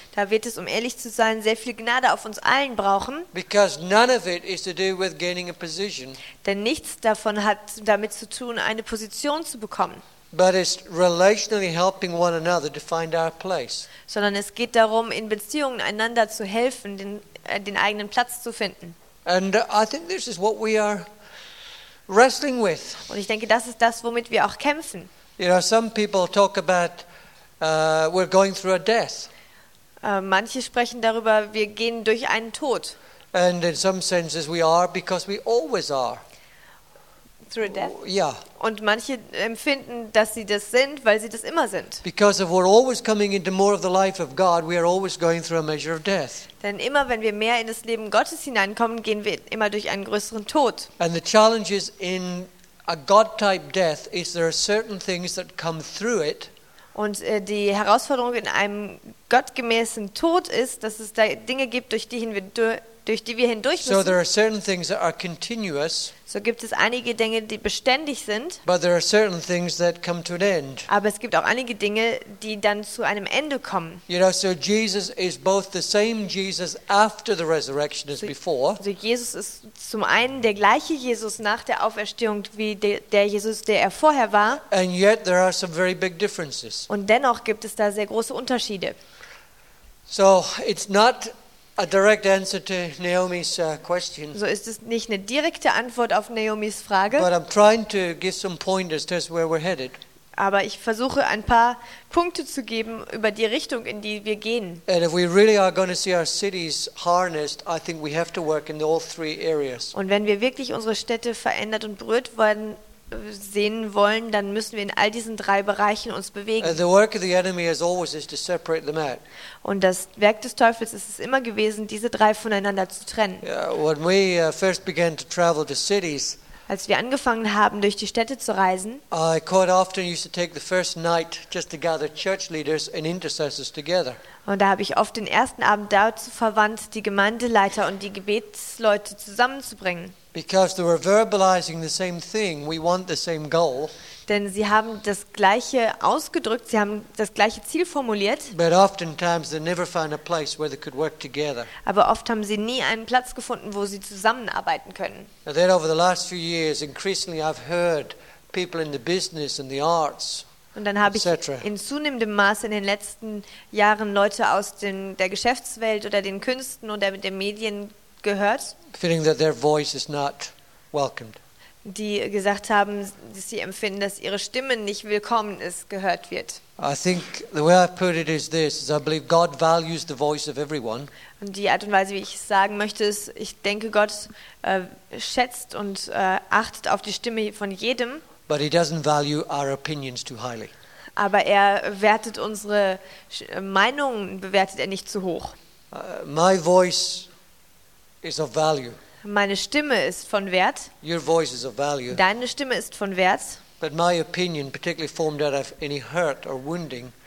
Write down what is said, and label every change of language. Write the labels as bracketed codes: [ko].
[de] Da wird es, um ehrlich zu sein, sehr viel Gnade auf uns allen brauchen. [en] Because none of it is to do with gaining a position. [de] Denn nichts davon hat damit zu tun, eine Position zu bekommen. [en] But it's relationally helping one another to find our place. [de] Sondern es geht darum, in Beziehungen einander zu helfen, den eigenen Platz zu finden. [en] And I think this is what we are wrestling with. [de] Und ich denke, das ist das, womit wir auch kämpfen. [en] You know, some people talk about we're going through a death. [de] Manche sprechen darüber, wir gehen durch einen Tod. [en] And in some senses we are, because we always are. Through a death? Yeah. [de] Und manche empfinden, dass sie das sind, weil sie das immer sind. [en] Because if we're always coming into more of the life of God, we are always going through a measure of death. [de] Denn immer, wenn wir mehr in das Leben Gottes hineinkommen, gehen wir immer durch einen größeren Tod. [en] And the challenge is in a God-type death is there are certain things that come through it. [de] Und die Herausforderung in einem gottgemäßen Tod ist, dass es da Dinge gibt, durch die hin wir durch die wir hindurch müssen. [en] So there are certain things that are continuous. [de] So gibt es einige Dinge, die beständig sind. [en] But there are certain things that come to an end. [de] Aber es gibt auch einige Dinge, die dann zu einem Ende kommen. [en] You know, so Jesus is both the same Jesus after the resurrection as before. [de] So Jesus ist zum einen der gleiche Jesus nach der Auferstehung wie der Jesus, der er vorher war. [en] And yet there are some very big differences. [de] Und dennoch gibt es da sehr große Unterschiede. [en] So it's not a direct answer to Naomi's question. [de] So ist es nicht eine direkte Antwort auf Naomis Frage. [en] But I'm trying to give some pointers to where we're headed. [de] Aber ich versuche ein paar Punkte zu geben über die Richtung, in die wir gehen. [en] And if we really are going to see our cities harnessed, I think we have to work in all three areas. [de] Und wenn wir wirklich unsere Städte verändert und berührt werden sehen wollen, dann müssen wir in all diesen drei Bereichen uns bewegen. Und das Werk des Teufels ist es immer gewesen, diese drei voneinander zu trennen. [en] When we first began to travel to cities, [de] als wir angefangen haben, durch die Städte zu reisen, [en] I quite often used to take the first night just to gather church leaders and intercessors together. [de] Und da habe ich oft den ersten Abend dazu verwandt, die Gemeindeleiter und die Gebetsleute zusammenzubringen. [en] Because they were verbalizing the same thing, we want the same goal. [de] Denn sie haben das gleiche ausgedrückt, sie haben das gleiche Ziel formuliert. [en] But oftentimes they never found a place where they could work together. [de] Aber oft haben sie nie einen Platz gefunden, wo sie zusammenarbeiten können. [en] And then over the last few years, increasingly I've heard people in the business and the arts. [de] Und dann habe ich in zunehmendem Maße in den letzten Jahren Leute aus der Geschäftswelt oder den Künsten oder mit den Medien gehört, [en] feeling that their voice is not welcomed. [de] Die gesagt haben, dass sie empfinden, dass ihre Stimme nicht willkommen ist, gehört wird. [en] I think the way I put it is this, is I believe God values the voice of everyone. [de] Und die Art und Weise, wie ich es sagen möchte, ist, ich denke, Gott schätzt und achtet auf die Stimme von jedem. [en] But he doesn't value our opinions too highly. [de] Aber er wertet unsere Meinungen, bewertet er nicht zu hoch. [en] My voice is of value. [de] Meine Stimme ist von Wert. [en] Your voice is of value. [de] Deine Stimme ist von Wert. [en] But my opinion, particularly formed out of any hurt or wounding.